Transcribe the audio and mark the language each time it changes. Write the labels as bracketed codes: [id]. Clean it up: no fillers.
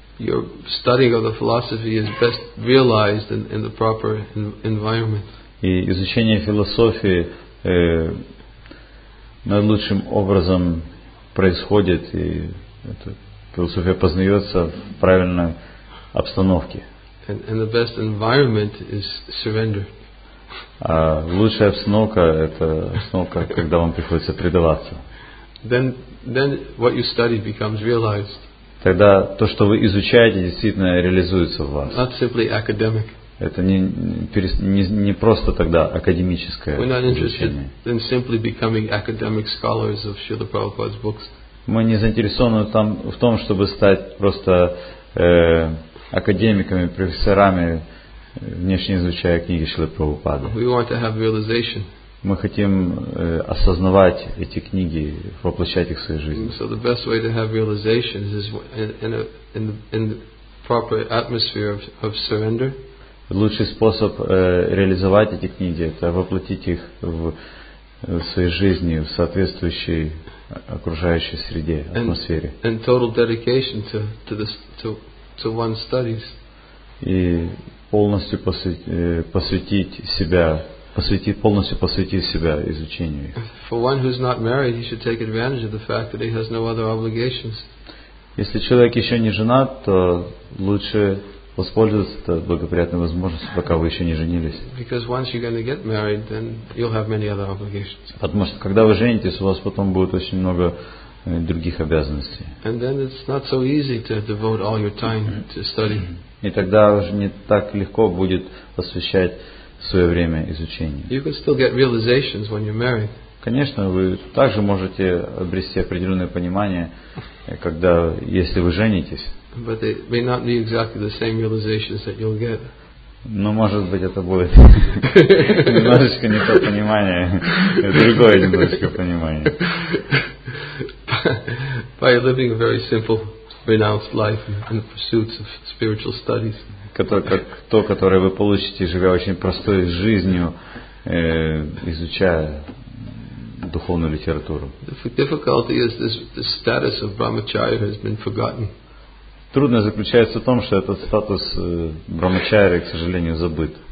[en] Your studying of the philosophy is best realized in the proper environment. [ru] И изучение философии наилучшим образом происходит, и эта философия познается в правильной обстановке. [en] And the best environment is surrender. [ru] А лучшая обстановка — это обстановка, когда вам приходится предаваться. [en] Then what you study becomes realized. [ru] Тогда то, что вы изучаете, действительно реализуется в вас. [en] Not simply academic. [ru] Это не просто тогда академическое изучение. [en] We're not interested in simply becoming academic scholars of Srila Prabhupada's books. [ru] Мы не заинтересованы там в том, чтобы стать просто академиками, профессорами, внешне изучая книги Шрилы Прабхупады. [en] We want to have realization. [ru] Мы хотим осознавать эти книги, воплощать их в своей жизни. [en] So the best way to have realization is in the proper atmosphere of surrender. [ru] Лучший способ реализовать эти книги — это воплотить их в своей жизни, в соответствующей окружающей среде, атмосфере. [en] And total dedication to one's studies. [ru] И полностью посвятить себя изучению их. [en] For one who's not married, he should take advantage of the fact that he has no other obligations. [ru] Если человек еще не женат, то лучше воспользоваться этой благоприятной возможностью, пока вы еще не женились. [en] Because once you're going to get married, then you'll have many other obligations. [ru] Потому что когда вы женитесь, у вас потом будет очень много других обязанностей. [en] And then it's not so easy to devote all your time to study. [ru] И тогда уже не так легко будет посвящать свое время изучению. [en] You can still get realizations when you're married. [ru] Конечно, вы также можете обрести определенное понимание, когда, если вы женитесь. [en] But they may not be exactly the same realizations that you'll get. [ru] Но может быть это будет немножечко не то понимание, другое немножечко понимание. [en] By living a very simple renounced life in the pursuits of spiritual studies. [ru] То, которое вы получите, живя очень простой жизнью, изучая духовную литературу. [en] The difficulty is this status of brahmacharya has been forgotten. [ru] Трудность заключается в том, что этот статус брахмачари, к сожалению, забыт.